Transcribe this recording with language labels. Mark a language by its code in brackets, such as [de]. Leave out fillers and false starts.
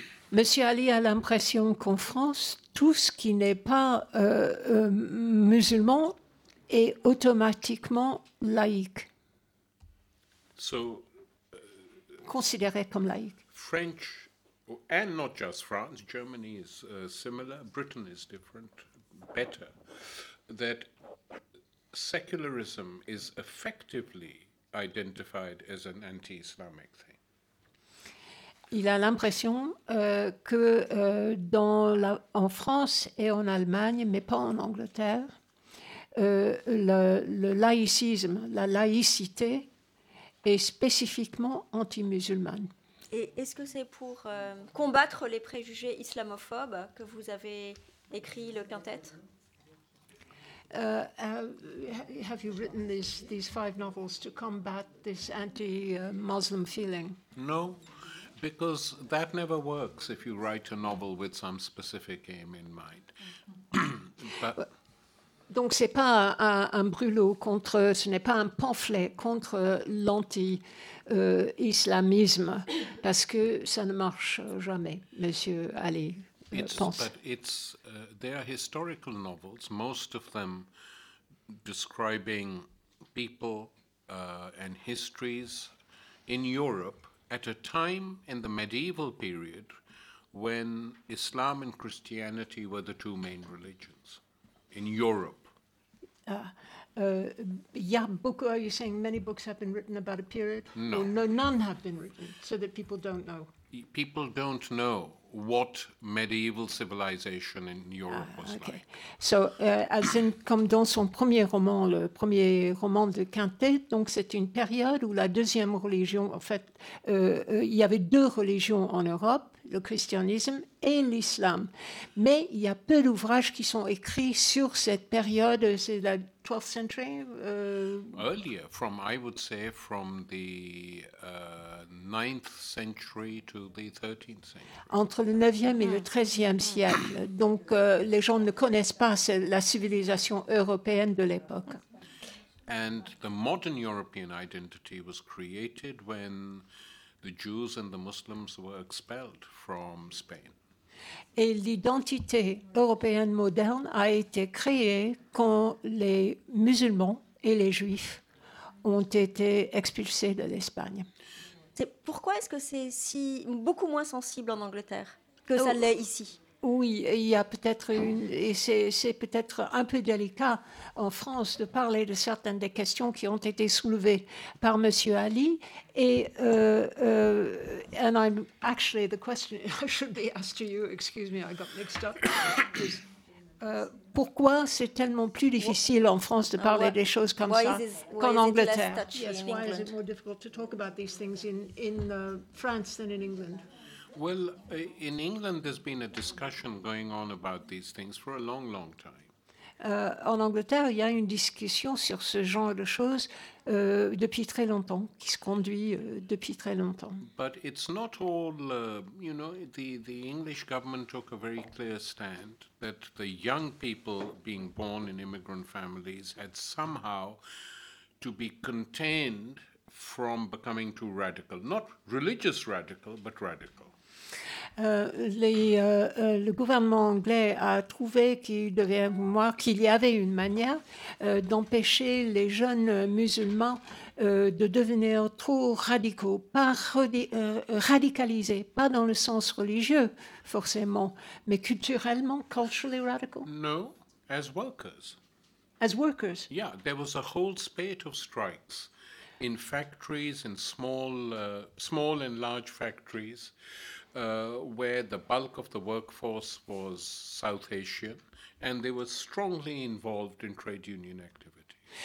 [fr] Monsieur Ali a l'impression qu'en France, tout ce qui n'est pas musulman est automatiquement laïque. [en] So, [fr] considéré comme laïque. [en] French, and not just France, Germany is similar, Britain is different, better, that secularism is effectively identified as an anti-Islamic thing. [fr] Il a l'impression que en France et en Allemagne, mais pas en Angleterre, le laïcisme, la laïcité, et spécifiquement anti-musulmane. Et est-ce que c'est pour combattre les préjugés islamophobes que vous avez écrit le quintet? [en] Have you written these five novels to combat this anti-Muslim feeling? No, because that never works if you write a novel with some specific aim in mind. [fr] But donc c'est pas un brûlot contre, ce n'est pas un pamphlet contre l'anti-islamisme, parce que ça ne marche jamais, Monsieur Ali pense. [en] But it's they are historical novels, most of them describing people and histories in Europe at a time in the medieval period when Islam and Christianity were the two main religions in Europe. Are you saying many books have been written about a period? No. No, none have been written, so that people don't know. People don't know what medieval civilization in Europe was okay. Like. So, as in, [fr] comme dans son premier roman, le premier roman de Quintet, donc c'est une période où la deuxième religion, en fait, il y avait deux religions en Europe, le christianisme et l'islam. Mais il y a peu d'ouvrages qui sont écrits sur cette période, c'est la [en] 12th century? Earlier, from the 9th century to the 13th century. [fr] Entre le 9e et le 13e siècle. Donc les gens ne connaissent pas la civilisation européenne de l'époque. [en] And the modern European identity was created when the Jews and the Muslims were expelled from Spain. [fr] Et l'identité européenne moderne a été créée quand les musulmans et les juifs ont été expulsés de l'Espagne. C'est, pourquoi est-ce que c'est si, beaucoup moins sensible en Angleterre que ça l'est ici ? Oui, il y a peut-être une, et c'est peut-être un peu délicat en France de parler de certaines des questions qui ont été soulevées par Monsieur Ali. [en] Et and I'm actually the question I should be asked to you. Excuse me, I got mixed up. [fr] Pourquoi c'est tellement plus difficile en France de parler des choses comme ça qu'en Angleterre? [en] Yes, why is it more difficult to talk about these things in France than in England? Well, in England, there's been a discussion going on about these things for a long, long time. [fr] En Angleterre, il y a une discussion sur ce genre de choses depuis très longtemps, qui se conduit depuis très longtemps. [en] But it's not all, you know, the English government took a very clear stand that the young people being born in immigrant families had somehow to be contained from becoming too radical. Not religious radical, but radical. [fr] Le gouvernement anglais a trouvé qu'il y avait une manière d'empêcher les jeunes musulmans de devenir trop radicaux, radicalisés, pas dans le sens religieux forcément, mais culturellement, [en] culturally radical. No, as workers. As workers. Yeah, there was a whole spate of strikes in factories, in small and large factories. Where the bulk of the workforce was South Asian, and they were strongly involved in trade union activity.